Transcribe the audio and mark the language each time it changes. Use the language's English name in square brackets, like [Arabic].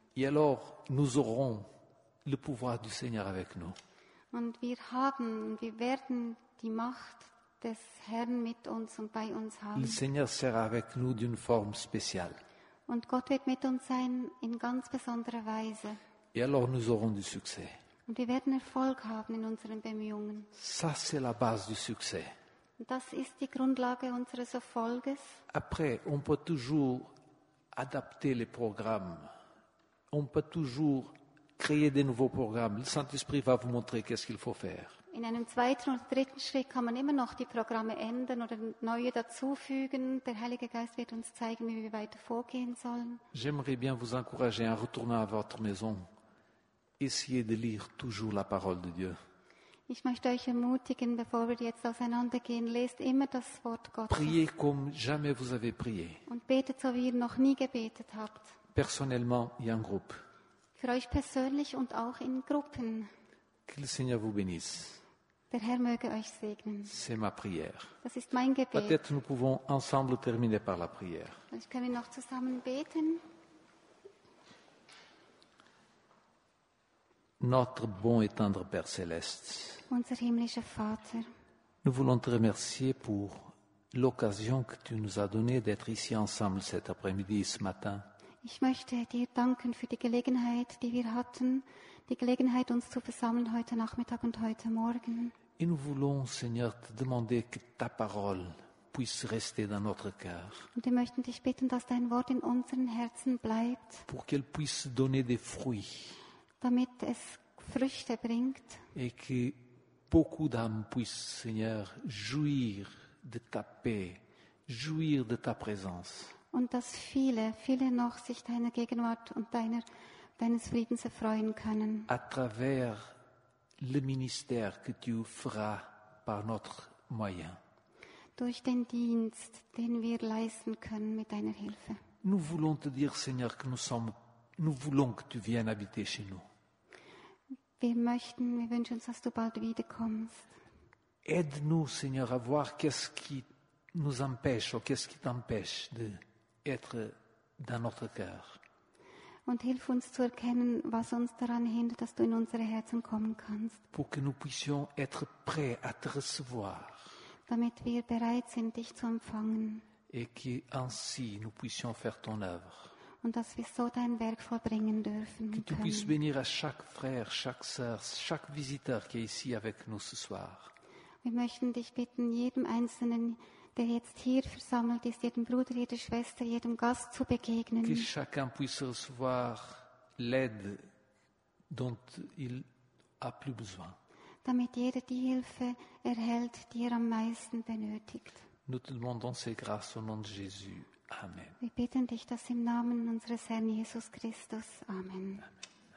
[French] Et alors, nous aurons le pouvoir du Seigneur avec nous. [German] Und wir haben, wir werden die Macht des Herrn mit uns und bei uns haben. [French] Le Seigneur sera avec nous d'une forme spéciale. [German] Und Gott wird mit uns sein in ganz besonderer Weise. [French] Et alors nous aurons du succès. [German] Und wir werden Erfolg haben in unseren Bemühungen. [French] Ça, c'est la base du succès. [German] Das ist die Grundlage unseres Erfolges. [French] Après, on peut toujours adapter les programmes. On peut toujours créer des nouveaux programmes. Le Saint-Esprit va vous montrer qu'est-ce qu'il faut faire. [German] In einem zweiten oder dritten Schritt kann man immer noch die Programme ändern oder neue dazufügen. Der Heilige Geist wird uns zeigen, wie wir weiter vorgehen sollen. [French] J'aimerais bien vous encourager en retournant à votre maison. Essayez de lire toujours la parole de Dieu. [German] Ich möchte euch ermutigen, bevor wir jetzt auseinandergehen, lest immer das Wort Gottes. [French] Priez comme jamais vous avez prié. [German] Und betet, so wie ihr noch nie gebetet habt. [French] Personnellement et en groupe. [German] Für euch persönlich und auch in Gruppen. [French] Que le Seigneur vous bénisse. [German] Der Herr möge euch segnen. [French] C'est ma prière. [German] Das ist mein Gebet. [French] Peut-être nous pouvons ensemble terminer par la prière. [German] Vielleicht können wir noch zusammen beten. [French] Notre bon et tendre Père céleste. [German] Unser himmlischer Vater. [French] Nous voulons te remercier pour l'occasion que tu nous as donnée d'être ici ensemble cet après-midi et ce matin. [German] Ich möchte dir danken für die Gelegenheit, die wir hatten, die Gelegenheit, uns zu versammeln heute Nachmittag und heute Morgen. [French] Et nous voulons, Seigneur, te demander que ta parole puisse rester dans notre cœur. [German] Und wir möchten dich bitten, dass dein Wort in unseren Herzen bleibt. [French] Pour qu'elle puisse donner des fruits. [German] Damit es Früchte bringt. [French] Et que beaucoup d'âmes puissent, Seigneur, jouir de ta paix, jouir de ta présence. [German] Und dass viele, viele noch sich deiner Gegenwart und deines Friedens erfreuen können. [French] À travers le ministère que tu feras par notre moyen. [German] Durch den Dienst, den wir leisten können mit deiner Hilfe. [French] Nous voulons te dire, Seigneur, que nous voulons que tu viennes habiter chez nous. [German] Wir wünschen uns, dass du bald wiederkommst. [French] Aide-nous, Seigneur, à voir qu'est-ce qui nous empêche ou qu'est-ce qui t'empêche d'être dans notre cœur. [German] Und hilf uns zu erkennen, was uns daran hindert, dass du in unsere Herzen kommen kannst. [French] Pour que nous puissions être prêts à te recevoir. [German] Damit wir bereit sind, dich zu empfangen. [French] Et que ainsi nous puissions faire ton œuvre. [German] Und dass wir so dein Werk vollbringen dürfen. [French] Que tu puisses bénir à chaque frère, chaque sœur, chaque visiteur qui est ici avec nous ce soir. [German] Wir möchten dich bitten, jedem Einzelnen, der jetzt hier versammelt ist, jedem Bruder, jeder Schwester, jedem Gast zu begegnen. [French] Que chacun puisse recevoir l'aide dont il a plus besoin. [German] Damit jeder die Hilfe erhält, die am meisten benötigt. [French] Nous te demandons ces grâces au nom de Jésus. Amen. [German] Wir bitten dich das im Namen unseres Herrn Jesus Christus. Amen. Amen.